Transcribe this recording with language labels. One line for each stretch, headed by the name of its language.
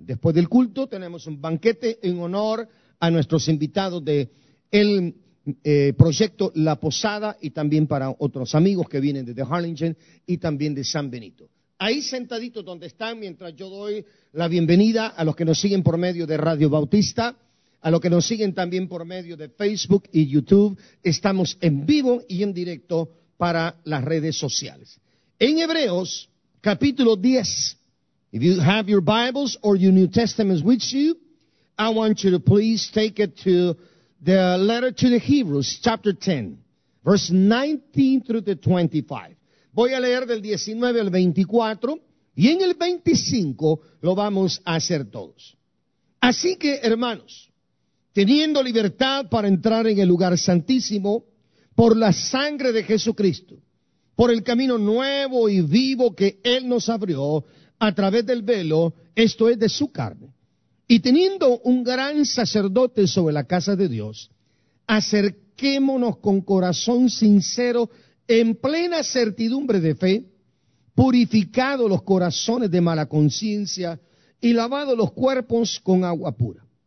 Spanish: Después del culto tenemos un banquete en honor a nuestros invitados de el proyecto La Posada y también para otros amigos que vienen desde Harlingen y también de San Benito. Ahí sentaditos donde están, mientras yo doy la bienvenida a los que nos siguen por medio de Radio Bautista, a los que nos siguen también por medio de Facebook y YouTube, estamos en vivo y en directo para las redes sociales. En Hebreos, capítulo 10,
English: if you have your Bibles or your New Testaments with you, I want you to please take it to the letter to the Hebrews, chapter 10, verse 19 through the 25.
Spanish: Voy a leer del 19 al 24, y en el 25 lo vamos a hacer todos. Así que, hermanos, teniendo libertad para entrar en el lugar santísimo, por la sangre de Jesucristo, por el camino nuevo y vivo que Él nos abrió a través del velo, esto es de su carne, y teniendo un gran sacerdote sobre la casa de Dios, acerquémonos con corazón sincero, en plena certidumbre de fe, purificado los corazones de mala conciencia y lavado los cuerpos con agua pura.